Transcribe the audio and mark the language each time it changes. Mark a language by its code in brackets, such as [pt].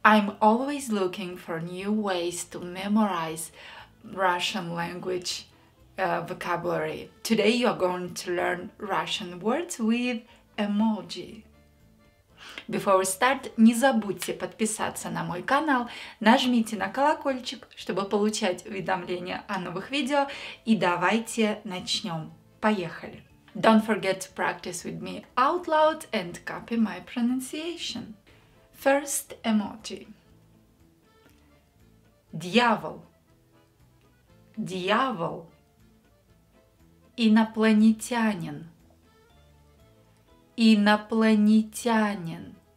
[en] I'm always looking for new ways to memorize Russian language vocabulary. Today you're going to learn Russian words with emoji. [ru] Before we start, не забудьте подписаться на мой канал, нажмите на колокольчик, чтобы получать уведомления о новых видео, и давайте начнем. Поехали! [en] Don't forget to practice with me out loud and copy my pronunciation. First emoji. [ru] Дьявол. Дьявол. Инопланетянин. Инопланетянин.